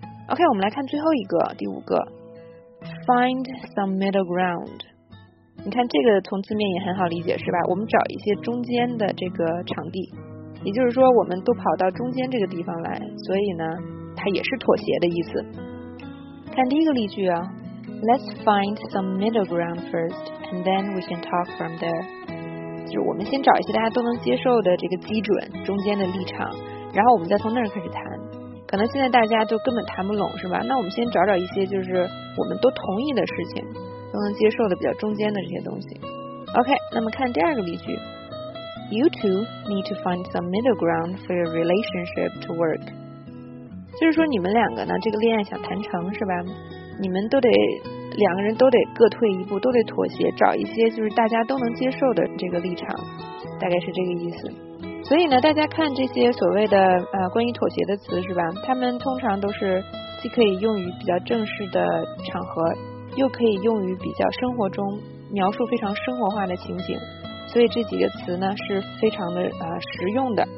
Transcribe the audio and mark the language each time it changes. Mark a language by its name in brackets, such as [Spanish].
[Chinese] OK， 我们来看最后一个，第五个 [English] Find some middle ground。 [Chinese] 你看这个从字面也很好理解是吧，我们找一些中间的这个场地，也就是说我们都跑到中间这个地方来，所以呢它也是妥协的意思。看第一个例句啊， [English] Let's find some middle ground first and then we can talk from there。 [Chinese] 就是我们先找一些大家都能接受的这个基准，中间的立场，然后我们再从那儿开始谈。可能现在大家都根本谈不拢是吧，那我们先找找一些就是我们都同意的事情，都能接受的比较中间的这些东西。 [English] OK， [Chinese] 那么看第二个例句， [English] You two need to find some middle ground for your relationship to work。 [Chinese] 就是说你们两个呢这个恋爱想谈成是吧，你们都得两个人都得各退一步，都得妥协，找一些就是大家都能接受的这个立场，大概是这个意思。所以呢大家看这些所谓的关于妥协的词是吧，他们通常都是既可以用于比较正式的场合，又可以用于比较生活中描述非常生活化的情景，所以这几个词呢是非常的实用的。